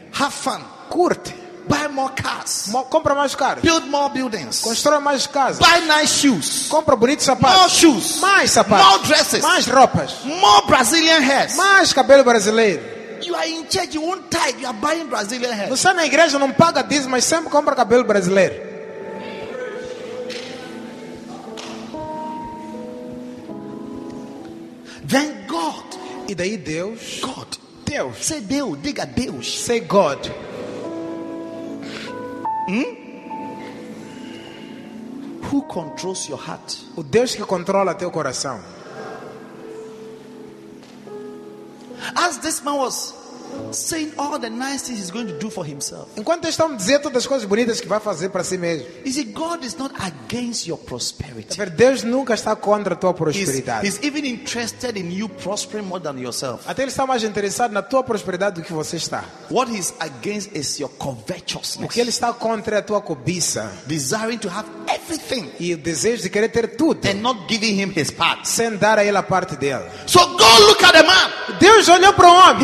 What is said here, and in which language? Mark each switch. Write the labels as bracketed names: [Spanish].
[English] Have fun. [Portuguese] Curte. [English] Buy more cars. [Portuguese] Compra mais carros. [English] Build more buildings. [Portuguese] Constrói mais casas. [English] Buy nice shoes. [Portuguese] Compra bonitos sapatos. [English] More shoes. [Portuguese] Mais sapatos. [English] More dresses. [Portuguese] Mais roupas. [English] More Brazilian hairs. [Portuguese] Mais cabelo brasileiro. [English] You are in church, you won't tithe, you are buying Brazilian hairs. [Portuguese] Você na igreja não paga dízimo, mas sempre compra cabelo brasileiro. [English] Then God. [Portuguese] E daí Deus. [English] God. [Portuguese] Deus. [English] Say [Portuguese] Deus. Diga Deus. [English] Say God. Who controls your heart? [Portuguese] O Deus que controla teu coração. [English] As this man was saying all the nice things he's going to do for himself. [Portuguese] Enquanto estão dizendo todas as coisas bonitas que vai fazer para si mesmo. [English] Is it God is not against your prosperity? [Portuguese] Porque Deus nunca está contra a tua prosperidade. [English] He's even interested in you prospering more than yourself. [Portuguese] Até ele está mais interessado na tua prosperidade do que você está. [English] What he's against is your covetousness. [Portuguese] O que ele está contra é a tua cobiça. [English] Desiring to have everything. [Portuguese] E o desejo de querer ter tudo. [English] And not giving him his part. [Portuguese] Sem dar a ele a parte dele. [English] So God look at the man. [Portuguese] Deus olhou para o homem.